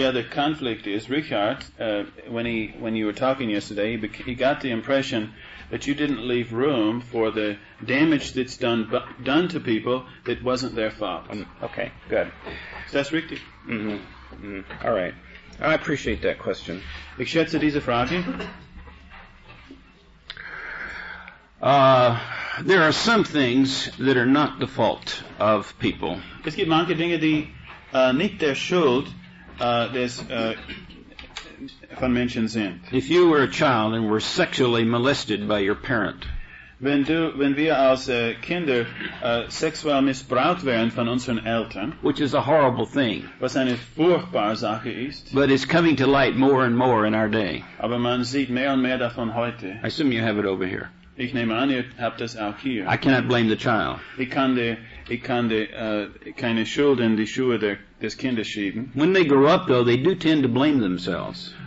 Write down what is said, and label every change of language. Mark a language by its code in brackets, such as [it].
[en] Yeah, the conflict is, Richard, when you were talking yesterday, he got the impression that you didn't leave room for the damage that's done to people that wasn't their fault. Okay, good. So that's richtig. Mm-hmm. Mm-hmm. All right. I appreciate that question. [de] Ich schätze diese Frage. [en] There are some things that are not the fault of people. [de] Es gibt manche Dinge, die nicht der Schuld des von Menschen sind. [en] If you were a child and were sexually molested by your parent. [de] Wenn wir als Kinder sexuell missbraucht werden von unseren Eltern, [en] which is a horrible thing, [de] was eine furchtbare Sache ist, [en] but it's coming to light more and more in our day. [de] Aber man sieht mehr und mehr davon heute. [en] I assume you have it over here. [de] Ich nehme an, ihr habt das auch hier. [en] I cannot blame the child. [de] Ich kann keine Schuld in die Schuhe des Kindes schieben. [en] When they grow up, though, they do tend to blame themselves.